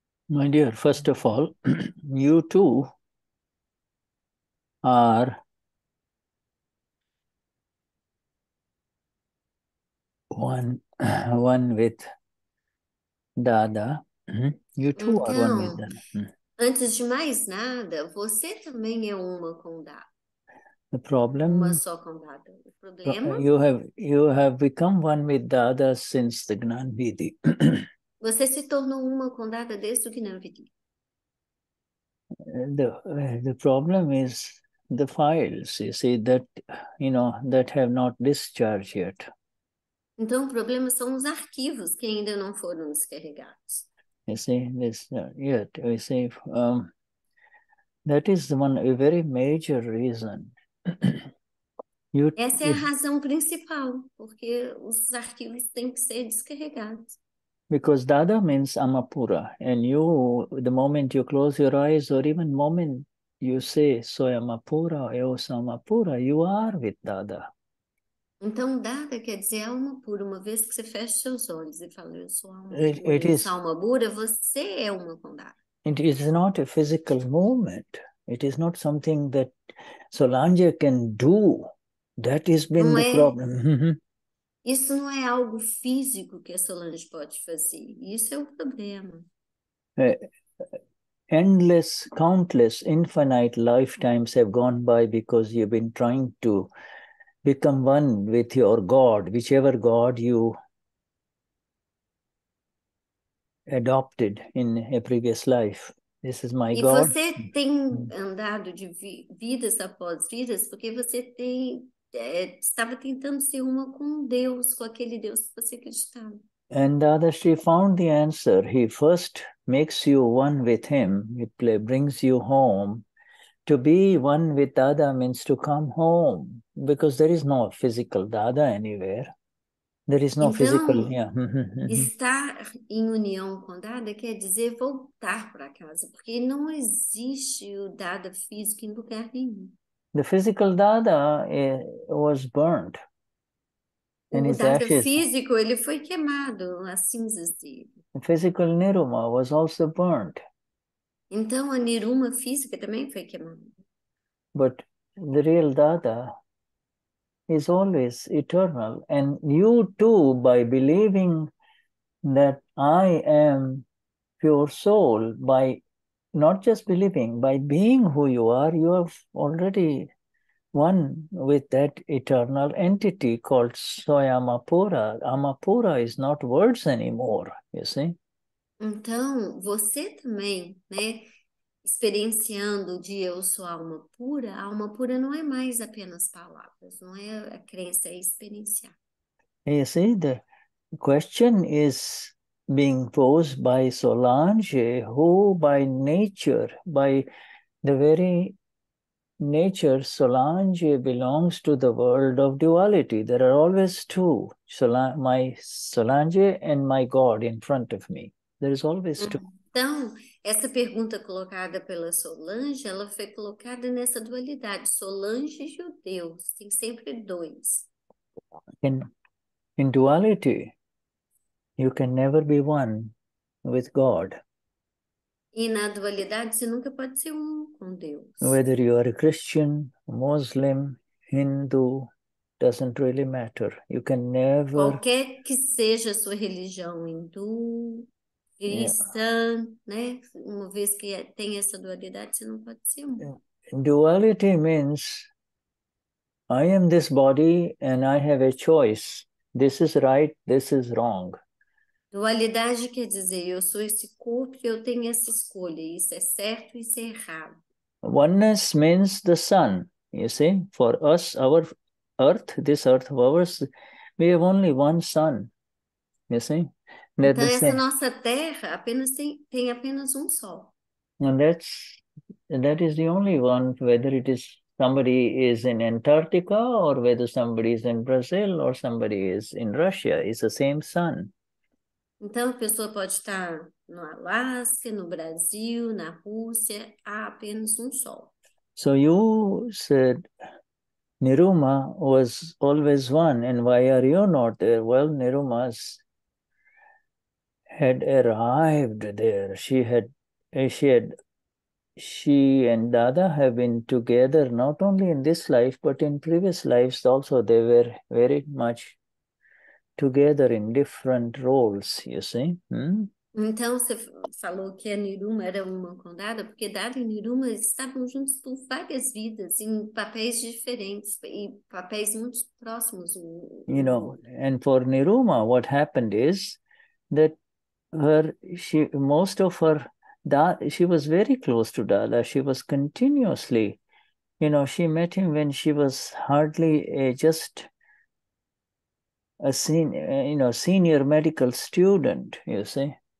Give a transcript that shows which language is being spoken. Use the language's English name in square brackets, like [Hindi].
[English] My dear, first of all, you too are one with Dada. You two are one with Dada. [Portuguese] Antes de mais nada, você também é uma com Dada. [English] The problem, [Portuguese] uma só com Dada. O problema? [English] You have become one with Dada since the Gnanvidhi. [Portuguese] Você se tornou uma com Dada desde o Gnanvidhi. [English] The problem is the files, you see, that, you know, that have not discharged yet. [Portuguese] Então, o problema são os arquivos que ainda não foram descarregados. [English] You see, this, yet, you see, that is one, a very major reason. [Portuguese] Essa é a razão principal, porque os arquivos têm que ser descarregados. [English] Because Dada means Amapura, and you, the moment you close your eyes, or even the moment you say, soy Amapura, [Portuguese] eu sou Amapura, [English] you are with Dada. [Portuguese] Então, Dada quer dizer alma pura, uma vez que você fecha seus olhos e fala, eu sou alma pura, você é uma com Dada. [English] It is not a physical movement. It is not something that Solange can do. That has been the problem. [Portuguese] Isso não é algo físico que a Solange pode fazer. Isso é o problema. [English] Endless, countless, infinite lifetimes have gone by because you've been trying to become one with your God, whichever God you adopted in a previous life. This is my [Portuguese] e [English] God. [Portuguese] E você tem andado de vidas após vidas porque você tem estava tentando ser uma com Deus, com aquele Deus que você acreditava. [English] And Dadashri found the answer. He first makes you one with him. He brings you home. To be one with Dada means to come home, because there is no physical Dada anywhere. There is no [Portuguese] então, [English] physical. [Portuguese] Estar em união com Dada quer dizer voltar para casa, porque não existe o Dada físico em lugar nenhum. [English] The physical Dada was burned. [Portuguese] O Dada físico, ele foi queimado, as cinzas dele. [English] The physical Niruma was also burned. [Portuguese] Então, a Niruma física também foi queimada. [English] But the real Dada is always eternal. And you too, by believing that I am pure soul, by not just believing, by being who you have already one with that eternal entity called Soyamapura. Amapura is not words anymore, you see? [Portuguese] Então, você também, né, experienciando de eu sou alma pura não é mais apenas palavras, não é a crença, é experienciar. [English] You see, the question is being posed by Solange, who by nature, by the very nature, Solange belongs to the world of duality. There are always two, my Solange and my God in front of me. There is always two. [Portuguese] Então, essa pergunta colocada pela Solange, ela foi colocada nessa dualidade, Solange e o Deus, tem sempre dois. [English] In duality, you can never be one with God. [Portuguese] E na dualidade, você nunca pode ser um com Deus. [English] Whether you are a Christian, Muslim, Hindu, doesn't really matter. You can never... [Portuguese] Qualquer que seja a sua religião, hindu, cristã, né? Uma vez que tem essa dualidade, você não pode ser um. [English] Duality means, I am this body and I have a choice. This is right, this is wrong. [Portuguese] Dualidade quer dizer, eu sou esse corpo e eu tenho essa escolha. Isso é certo, isso é errado. [English] Oneness means the sun, you see? For us, our earth, this earth of ours, we have only one sun, you see? [Portuguese] Então, essa nossa terra apenas tem apenas um sol. [English] And that is the only one, whether it is somebody is in Antarctica or whether somebody is in Brazil or somebody is in Russia, it's the same sun. [Portuguese] Então, a pessoa pode estar no Alasca, no Brasil, na Rússia, há apenas um sol. [English] So you said Niruma was always one, and why are you not there? Well, Niruma's had arrived there. She and Dada have been together not only in this life, but in previous lives also. They were very much together in different roles, you see. [Portuguese] Então, você falou que a Niruma era uma condada, porque Dada e Niruma estavam juntos por várias vidas, em papéis diferentes e papéis muito próximos [English] You know, [Portuguese] um do outro. [English] and for Niruma, what happened is that she was very close to Dada. She was continuously, you know, she met him when she was hardly senior medical student, you see.